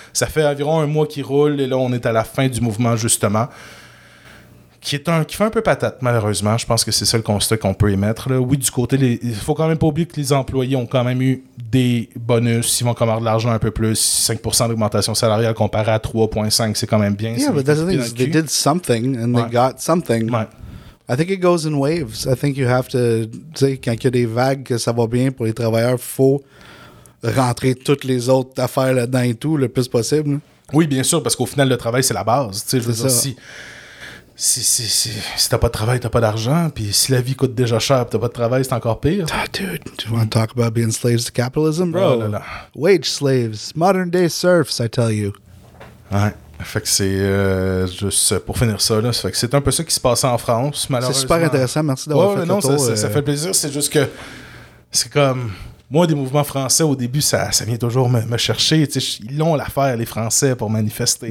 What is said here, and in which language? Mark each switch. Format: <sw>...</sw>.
<fr>Ça fait environ un mois qu'il roule et là, on est à la fin du mouvement, justement, qui fait un peu patate, malheureusement. Je pense que c'est ça le constat qu'on peut émettre. Là. Oui, du côté, il faut quand même pas oublier que les employés ont quand même eu des bonus. Ils vont quand même avoir de l'argent un peu plus. 5% d'augmentation salariale comparé à 3,5, c'est quand même bien.</fr> <en>Yeah, but they did something and they got something.</en> <fr>Ouais. I think it goes in waves. I think you have to, tu sais, quand il y a des vagues que ça va bien pour les travailleurs, faut rentrer toutes les autres affaires là-dedans et tout le plus possible. Oui, bien sûr, parce qu'au final, le travail, c'est la base. Tu sais, je veux dire, si t'as pas de travail, t'as pas d'argent, puis si la vie coûte déjà cher, puis t'as pas de travail, c'est encore pire.</fr> <en>Dude, do you want to talk about being slaves to capitalism,</en> <fr>bro? Oh, là, là.</fr> <en>Wage slaves, modern day serfs, I tell you.</en> <fr>Ouais. Fait que c'est juste pour finir ça là, fait que c'est un peu ça qui se passait en France, malheureusement. C'est super intéressant, merci d'avoir fait le tour. Ça fait plaisir, c'est juste que c'est comme moi, des mouvements français au début, ça vient toujours me chercher, tu sais, ils l'ont l'affaire, les Français, pour manifester.</fr>